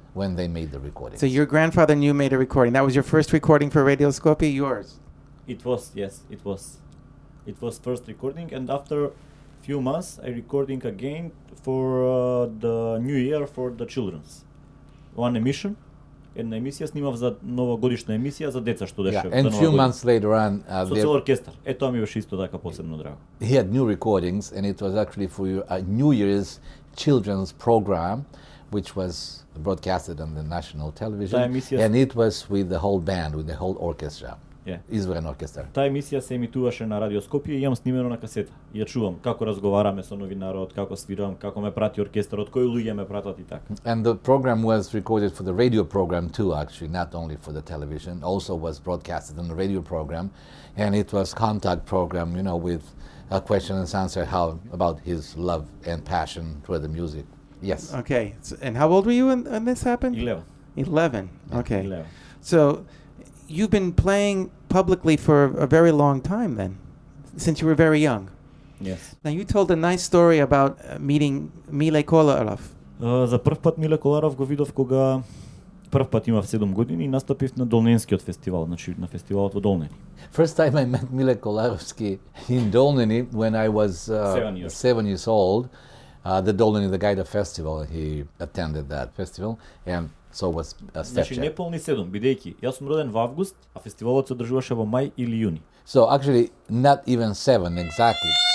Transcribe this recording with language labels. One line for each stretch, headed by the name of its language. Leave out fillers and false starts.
English: When they made the recording. So your grandfather knew you made a recording. That was your first recording for Radio Skopje, yours? It was, yes, it was. It was first recording, and after a few months, I recording again for the new year for the children's. One emission.
Macedonian: Една емисија снимав за новогодишна емисија за деца што деше.
English: And few months later on,
Macedonian: со цел оркестар. Е тоа ми беше исто така посебно драго.
English: He had new recordings and it was actually for a New Year's children's program, which was broadcasted on the national television. And it was with the whole band, with the whole orchestra. Yeah.
Macedonian: Изворен оркестар. Таа емисија се емитуваше на радио Скопје и јам снимено на касета. И ја чувам како разговараме со новинарот, како свирам, како ме прати оркестарот, кои луѓе ме пратат и така.
English: And the program was recorded for the radio program too, actually, not only for the television. Also was broadcasted on the radio program. And it was contact program, you know, with a question and answer how about his love and passion for the music. Yes. Okay. So, and how old were you when this happened? 11. 11. Okay. 11. So... You've been playing publicly for a very long time then, since you were very young. Yes. Now you told a nice story about meeting Mile Kolarov.
Macedonian: За прв пат Миле Коларов го видов кога прв пат имав 7 години и настапив на Долненскиот фестивал, значи на фестивалот во Долнени.
English: First time I met Mile Kolarovski in Dolneni when I was 7 years old. The Dolneni, the Gajda festival, he attended that festival and so was Stepcha.
Macedonian: Значи, неполни 7, бидејќи, јас сум роден во август, а фестивалот се одржуваше во мај или јуни.
English: So actually, not even 7, exactly.